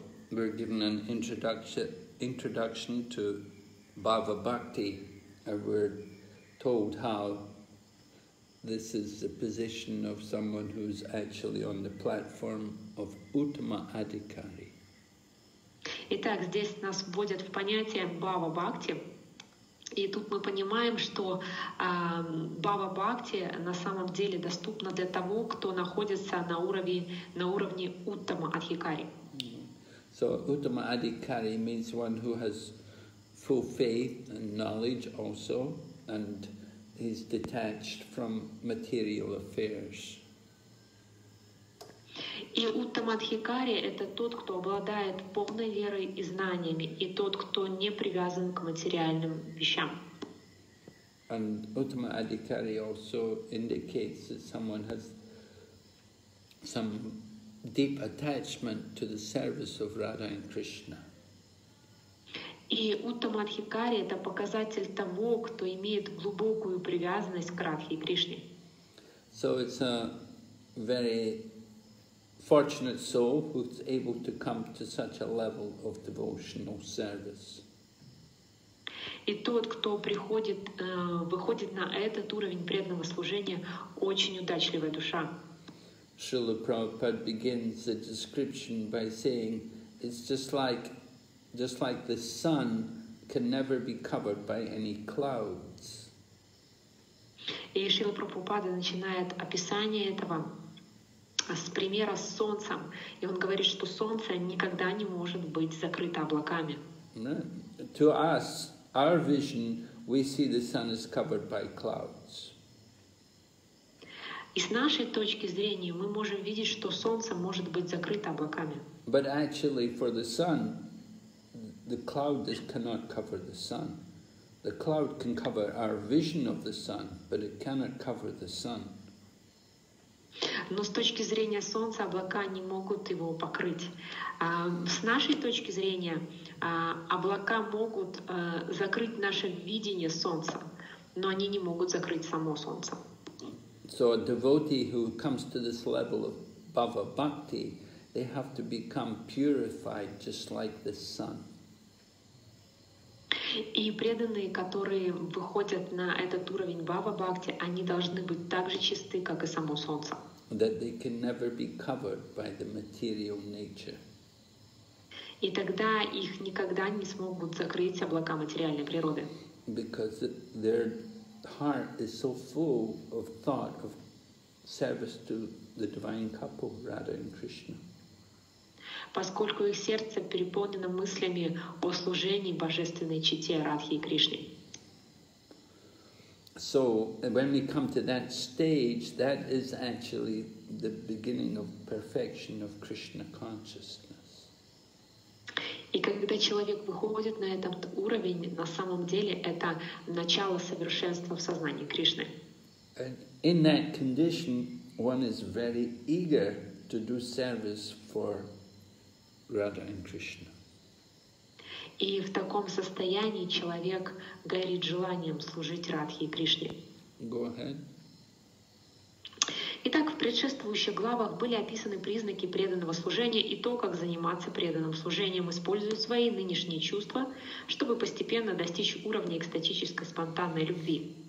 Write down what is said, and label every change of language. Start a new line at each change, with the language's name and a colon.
English: We're given an introduction to Bhava Bhakti, and we're told how this is the position of someone who's actually on the platform of Uttama Adhikari.
Russian: Итак, здесь нас вводят в понятие Бхава Бхакти, И тут мы понимаем, что Бава Бхакти на самом деле доступна для того, кто находится на уровне Уттама Адхикари.
English: So Uttama Adhikari means one who has full faith and knowledge also, and is detached from material affairs.
Russian: И Уттама Адхикари — это тот, кто обладает полной верой и знаниями, и тот, кто не привязан к материальным вещам.
English: And Uttama Adhikari also indicates that someone has some deep attachment to the service of Radha and Krishna.
Russian: И Уттама Адхикари — это показатель того, кто имеет глубокую привязанность к Радхе и Кришне.
English: So it's a very fortunate soul who's able to come to such a level of devotional service.
Russian: И тот, кто приходит, выходит на этот уровень преданного служения, очень удачливая душа.
English: Srila Prabhupada begins the description by saying, it's just like the sun can never be covered by any clouds.
Russian: И Srila Prabhupada начинает описание этого с примера с солнцем, и он говорит, что солнце никогда не может быть закрыто облаками.
English: To us, our vision, we see the sun is covered by clouds.
Russian: И с нашей точки зрения мы можем видеть, что солнце может быть закрыто облаками.
English: But actually, for the sun, the cloud cannot cover the sun. The cloud can cover our vision of the sun, but it cannot cover the sun.
Russian: Но с точки зрения солнца облака не могут его покрыть. С нашей точки зрения облака могут закрыть наше видение солнца, но они не могут закрыть само солнце.
English: So a devotee who comes to this level of bhava bhakti, they have to become purified just like the sun.
Russian: И преданные, которые выходят на этот уровень бхава бхакти, они должны быть так же чисты, как и само солнце.
English: That they can never be covered by the material nature.
Russian: И тогда их никогда не смогут закрыть облака материальной природы.
English: Because their heart is so full of thought of service to the divine couple, Radha and Krishna.
Russian: Поскольку их сердце переполнено мыслями о служении божественной чите Радхи и Кришне.
English: So when we come to that stage, that is actually the beginning of perfection of Krishna consciousness.
Russian: И когда человек выходит на этот уровень, на самом деле это начало совершенства в сознании Кришны.
English: And in that condition, one is very eager to do service for Radha and Krishna.
Russian: И в таком состоянии человек горит желанием служить Радхе и Кришне.
English: Go ahead.
Russian: Итак, в предшествующих главах были описаны признаки преданного служения и то, как заниматься преданным служением, используя свои нынешние чувства, чтобы постепенно достичь уровня экстатической спонтанной любви.